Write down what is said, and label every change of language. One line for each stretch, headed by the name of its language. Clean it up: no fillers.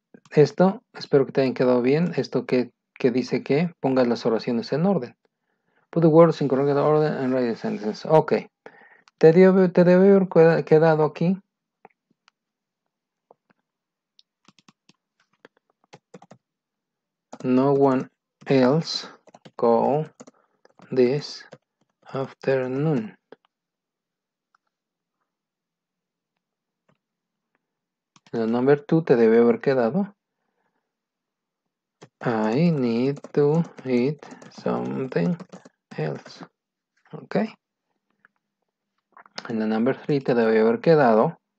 Spanish: Esto, espero que te hayan quedado bien. Esto que dice que pongas las oraciones en orden.
English: Put the words in correct order and write the sentences.
Spanish: Ok. Te debe haber quedado aquí.
English: No one else call this afternoon.
Spanish: El number two te debe haber quedado.
English: I need to eat something else.
Spanish: Ok. En el number three te debe haber quedado.